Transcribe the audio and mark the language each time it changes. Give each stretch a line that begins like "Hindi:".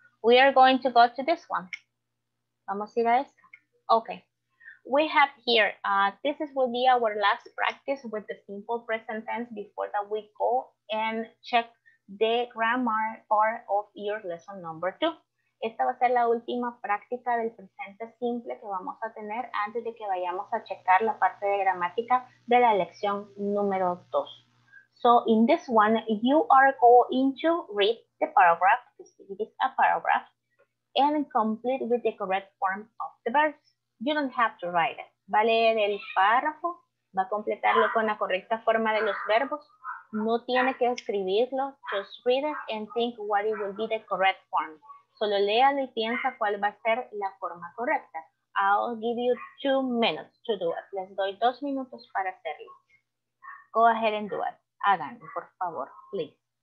English: We are going to go to this one.
Spanish: Vamos a ir a esta.
English: Ok. We have here, this will be our last practice with the simple present tense before that we go and check the grammar part of your lesson number 2.
Spanish: Esta va a ser la última práctica del presente simple que vamos a tener antes de que vayamos a checar la parte de gramática de la lección número 2.
English: So in this one, you are going to read the paragraph, it is a paragraph, and complete with the correct form of the verb. You don't have to write it.
Spanish: Va a leer el párrafo, va a completarlo con la correcta forma de los verbos. No tiene que escribirlo.
English: Just read it and think what it will be the correct form.
Spanish: Solo léalo y piensa cuál va a ser la forma correcta.
English: I'll give you 2 minutes to do it.
Spanish: Les doy 2 minutos para hacerlo.
English: Go ahead and do it.
Spanish: Háganlo, por favor, please.